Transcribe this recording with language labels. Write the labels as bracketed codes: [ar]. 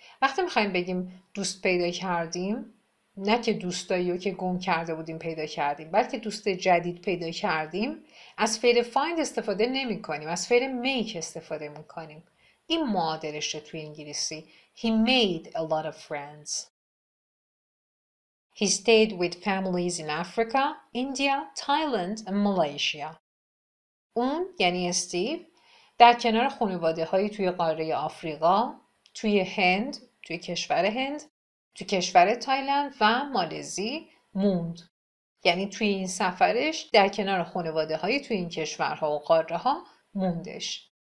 [fa] وقتی میخواییم بگیم دوست پیدا کردیم، نه که دوستایی رو که گم کرده بودیم پیدا کردیم، بلکه دوست جدید پیدا کردیم، از فعل find استفاده نمی کنیم، از فعل make استفاده می کنیم. این معادلش رو توی انگلیسی. [en] He made a lot of friends. He stayed with families in Africa, India, Thailand and Malaysia. [fa] اون یعنی استیو در کنار خانواده هایی توی قاره آفریقا، توی هند، توی کشور هند، توی کشور تایلند و مالزی موند. یعنی توی این سفرش در کنار خانواده هایی توی این کشورها و قاره ها موندش.